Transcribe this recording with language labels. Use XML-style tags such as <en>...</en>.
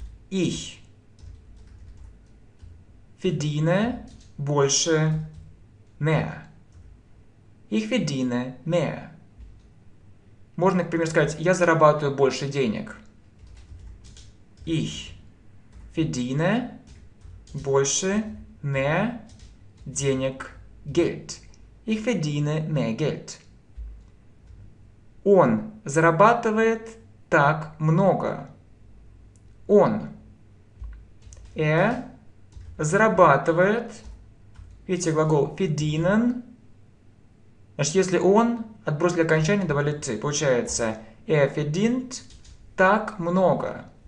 <de>Ich verdiene</de> <ru>больше</ru> <de>mehr. Ich verdiene mehr.</de> <ru>Можно, например, сказать, я зарабатываю больше денег.</ru> <de>Ich verdiene</de> <ru>больше</ru> <de>mehr</de> <ru>денег.</ru> <de>Geld. Ich verdiene mehr Geld.</de> <ru>Он зарабатывает так много. Он. Er зарабатывает. Видите, глагол verdienen. Значит, если он, отбросили окончание, давали ты. Получается,</ru> <de>er verdient</de> <ru>так много.</ru>